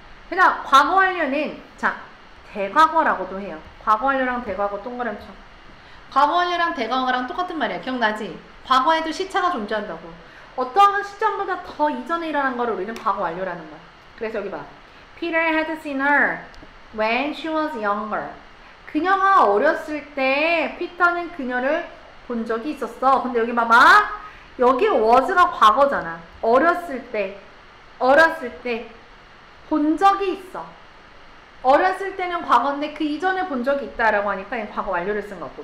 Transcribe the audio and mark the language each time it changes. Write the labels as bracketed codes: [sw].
[ko] 그냥 과거 완료는 자 대과거라고도 해요. 과거 완료랑 대과거 동그라미 쳐. 과거 완료랑 대과거랑 똑같은 말이야. 기억나지? 과거에도 시차가 존재한다고. 어떠한 시점보다 더 이전에 일어난 걸 우리는 과거 완료라는 거야. 그래서 여기 봐. [en] Peter had seen her when she was younger. [ko] 그녀가 어렸을 때 피터는 그녀를 본 적이 있었어. 근데 여기 봐봐. 여기 was가 과거잖아. 어렸을 때, 어렸을 때 본 적이 있어. 어렸을 때는 과거인데 그 이전에 본 적이 있다라고 하니까 과거 완료를 쓴 것 같고.